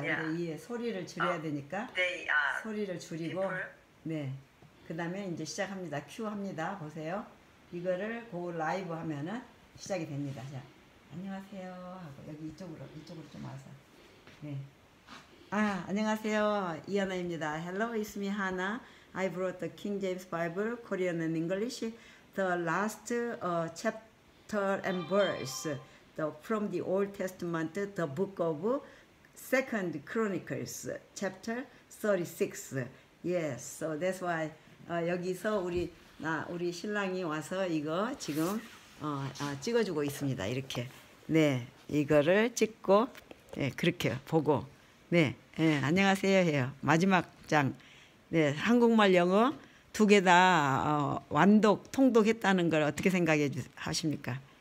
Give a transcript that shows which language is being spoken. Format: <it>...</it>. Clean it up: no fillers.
<ko>근데 이 소리를 줄여야 되니까 소리를 줄이고 네그 다음에 이제 시작합니다. 큐 합니다. 보세요. 이거를 고 라이브 하면은 시작이 됩니다. 자, 안녕하세요 하고 여기 이쪽으로 좀 와서 네. 안녕하세요. 이하나입니다.</ko> <en>Hello, it's me, Hannah. I brought the King James Bible, Korean and English, the last chapter and verse from the Old Testament, the book of Second Chronicles, chapter 36. Yes, so that's why</en> <ko>여기서 우리 신랑이 와서 이거 지금 찍어주고 있습니다. 이렇게. 네, 이거를 찍고, 네, 그렇게 보고. 네, 예, 안녕하세요 해요. 마지막 장. 네, 한국말 영어 두 개 다 완독, 통독했다는 걸 어떻게 생각해 하십니까?</ko>